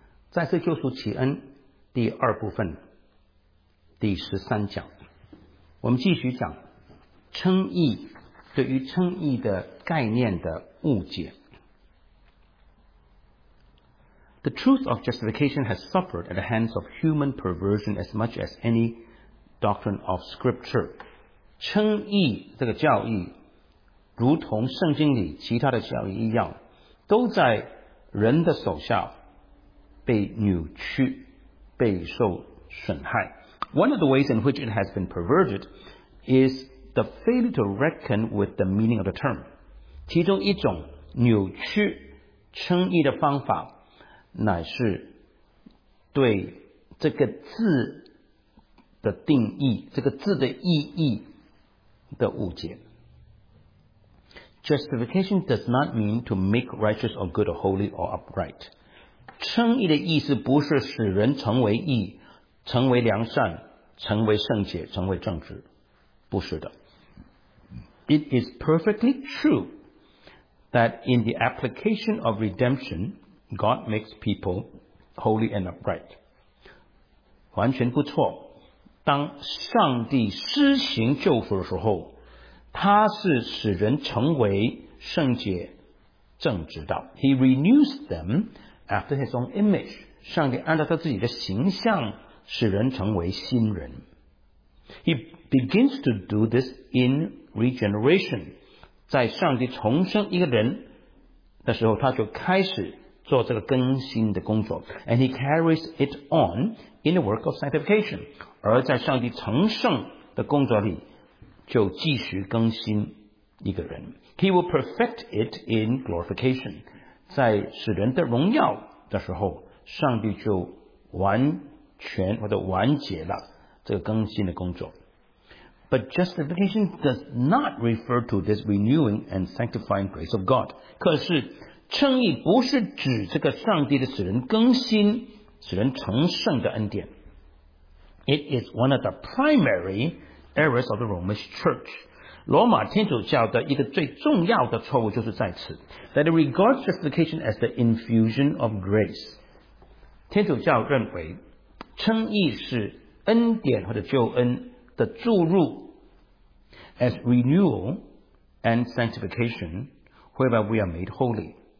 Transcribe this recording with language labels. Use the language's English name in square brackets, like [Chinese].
[Chinese] 再次救赎启恩第二部分第十三讲。我们继续讲称义对于称义的概念的误解。 [English] The truth of justification has suffered at the hands of human perversion as much as any doctrine of scripture. [Chinese] 称义这个教义如同圣经里其他的教义一样，都在人的手下被扭曲，被受损害。 [English] One of the ways in which it has been perverted is the failure to reckon with the meaning of the term. [Chinese] 其中一种扭曲称义的方法，乃是对这个字的定义，这个字的意义的误解。 [English] Justification does not mean to make righteous or good or holy or upright. [Chinese] 称义的意思不是使人成为义，成为良善，成为圣洁，成为正直，不是的。 [English] It is perfectly true that in the application of redemption, God makes people holy and upright. [Chinese] 完全不错。当上帝施行救赎的时候，他是使人成为圣洁正直道。 [English] He renews them after his own image. [Chinese] 上帝按照他自己的形象使人成为新人。 [English] He begins to do this in regeneration. [Chinese] 在上帝重生一个人的时候，他就开始做这个更新的工作。 [English] And he carries it on in the work of sanctification. [Chinese] 而在上帝成圣的工作里就继续更新一个人。 [English] He will perfect it in glorification. [Chinese] 在使人的荣耀的时候，上帝就完全或者完结了这个更新的工作。 [English] But justification does not refer to this renewing and sanctifying grace of God. [Chinese] 可是称义不是指这个上帝的使人更新、使人成圣的恩典。 [English] It is one of the primary errors of the Roman Church. [Chinese] 罗马天主教的一个最重要的错误就是在此。 [English] That it regards justification as the infusion of grace. [Chinese] 天主教认为称义是恩典或者救恩的注入 [English] as renewal and sanctification whereby we are made holy.